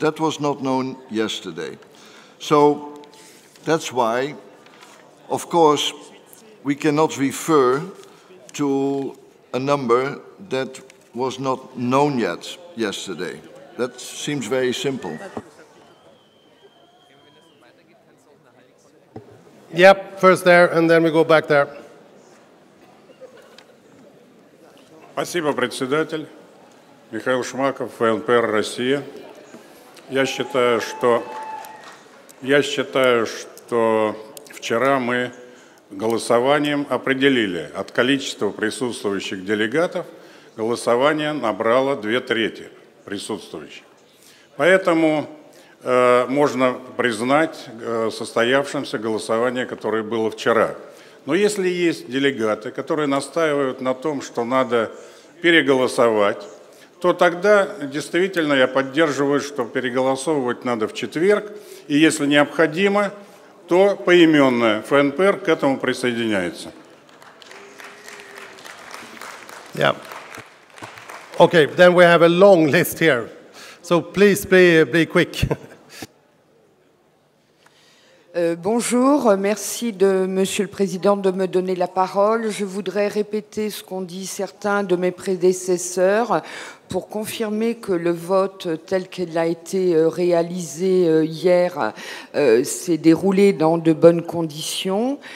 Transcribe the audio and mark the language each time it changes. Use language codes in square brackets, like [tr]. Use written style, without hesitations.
[en] That was not known yesterday. So that's why, of course, we cannot refer to a number that was not known yet yesterday. That seems very simple. Yep, first there, and then we go back there. [ru] Спасибо, председатель. Михаил Шмаков, ВНПР Россия. Я считаю, что вчера мы голосованием определили, от количества присутствующих делегатов голосование набрало 2/3 присутствующих. Поэтому можно признать состоявшимся голосование, которое было вчера. Но если есть делегаты, которые настаивают на том, что надо переголосовать, то тогда действительно я поддерживаю, что переголосовывать надо в четверг, и если необходимо, то поименно ФНПР к этому присоединяется. [en] Yeah. Okay, then we have a long list here. So please be quick. [fr] Bonjour, merci de Monsieur le Président de me donner la parole. Je voudrais répéter ce qu'ont dit certains de mes prédécesseurs pour confirmer que le vote tel qu'il a été réalisé hier s'est déroulé dans de bonnes conditions.